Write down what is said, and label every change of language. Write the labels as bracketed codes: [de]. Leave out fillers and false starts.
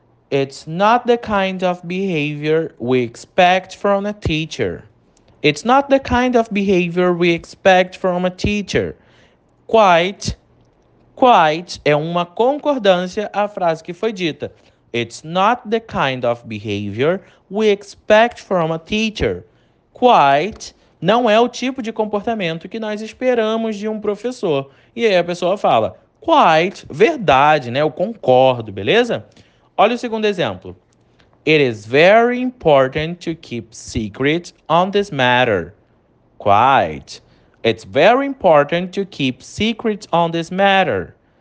[en] It's not the kind of behavior we expect from a teacher. It's not the kind of behavior we expect from a teacher. Quite. [pt] Quite é uma concordância à frase que foi dita. [en] It's not the kind of behavior we expect from a teacher. [pt] Quite não é o tipo de comportamento que nós esperamos de um professor. E aí a pessoa fala, quite, verdade, né? Eu concordo, beleza? Olha o segundo exemplo. [en] It is very important to keep secret on this matter. Quite. It's very important to keep secret on this matter.